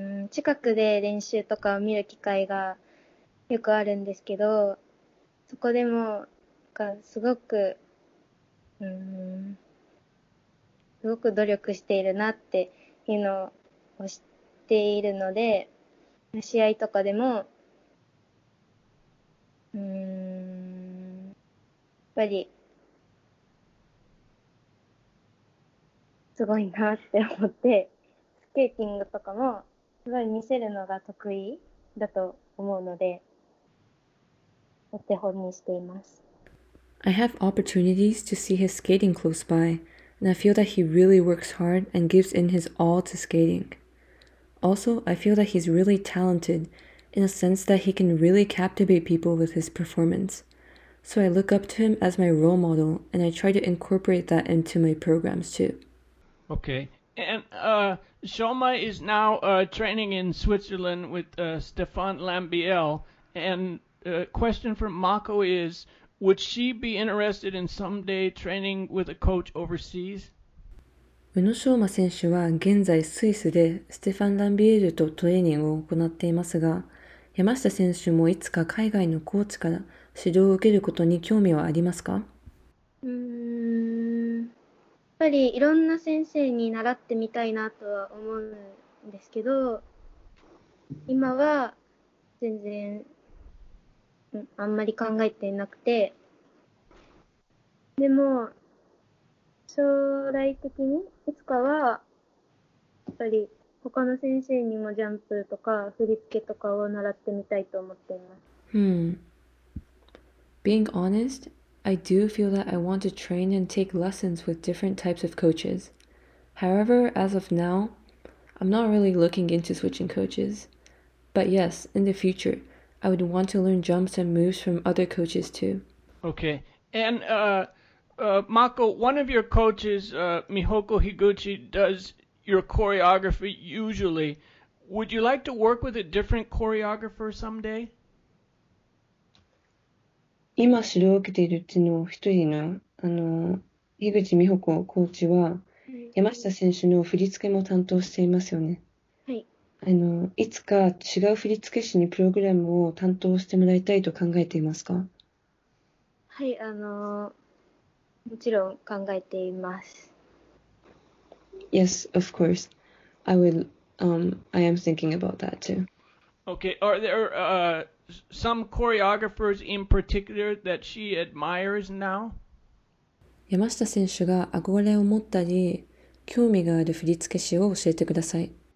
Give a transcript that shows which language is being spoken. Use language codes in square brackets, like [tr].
[ja] 近くで練習とかを見る機会がよくあるんですけど、そこでもすごく、すごく努力しているなっていうのを知っているので、試合とかでも、やっぱり、すごいなって思って、スケーティングとかもすごい見せるのが得意だと思うので、お手本にしています。 [en] I have opportunities to see his skating close by, and I feel that he really works hard and gives in his all to skating. Also, I feel that he's really talented, in a sense that he can really captivate people with his performance. So I look up to him as my role model, and I try to incorporate that into my programs too. Okay. And Shoma is now training in Switzerland with Stefan Lambiel. And a question from Mako is, would she be interested in someday training with a coach overseas? [ja] 宇野昌磨選手は現在スイスでステファン・ランビエールとトレーニングを行っていますが、山下選手もいつか海外のコーチから指導を受けることに興味はありますか？やっぱりいろんな先生に習ってみたいなとは思うんですけど、今は全然あんまり考えていなくて、でも将来的にいつかはやっぱり他の先生にもジャンプとか振り付けとかを習ってみたいと思っています。 [en] Being honest, I do feel that I want to train and take lessons with different types of coaches. However, as of now, I'm not really looking into switching coaches. But yes, in the future, I would want to learn jumps and moves from other coaches too. Okay, and Mako, one of your coaches, Mihoko Higuchi, does your choreography usually. Would you like to work with a different choreographer someday? [ja] 今指導を受けているうちの一人の、樋口美穂子コーチは、山下選手の振り付けも担当していますよね。はい。いつか違う振り付け師にプログラムを担当してもらいたいと考えていますか？はい、もちろん考えています。 [en] Yes, of course. I am thinking about that too. Okay, are there some choreographers in particular that she admires now? [ja] 山下選手が憧れを持ったり、興味がある振り付け師を教えてください。